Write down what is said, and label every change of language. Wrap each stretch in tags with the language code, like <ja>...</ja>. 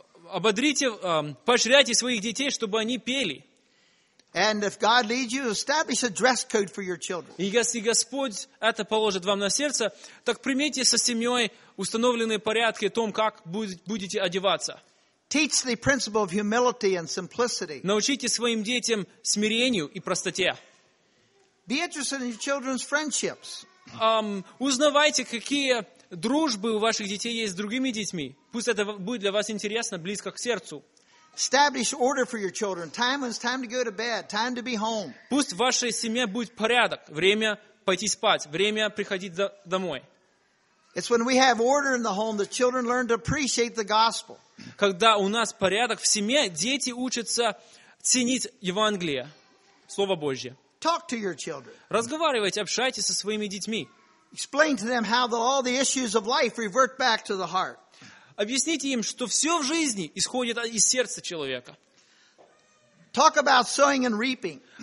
<ru>Ободрите, поощряйте своих детей, чтобы они пели.</ru> <en>And if God leads you, establish a dress code for your children.</en> <ru>И если Господь это положит вам на сердце, так примите со семьей установленные порядки о том, как будете одеваться.</ru> <en>Teach the principle of humility and simplicity.</en> <ru>Научите своим детям смирению и простоте.</ru> <en>Be interested in your children's friendships.</en> <ru>Узнавайте, какие дружбы у ваших детей есть с другими детьми. Пусть это будет для вас интересно, близко к сердцу.</ru> <en>Establish order for your children. Time when it's time to go to bed, time to be home.</en> <ru>Пусть в вашей семье будет порядок, время пойти спать, время приходить домой.</ru> <en>It's when we have order in the home that children learn to appreciate the gospel.</en> <ru>Когда у нас порядок в семье, дети учатся ценить Евангелие, Слово Божье.</ru> <en>Talk to your children.</en> <ru>Разговаривайте, общайтесь со своими детьми.</ru> <en>Explain to them how all the issues of life revert back to the heart.</en> <ru>Объясните им, что все в жизни исходит из сердца человека.</ru> <en>Talk about sowing and reaping.</en>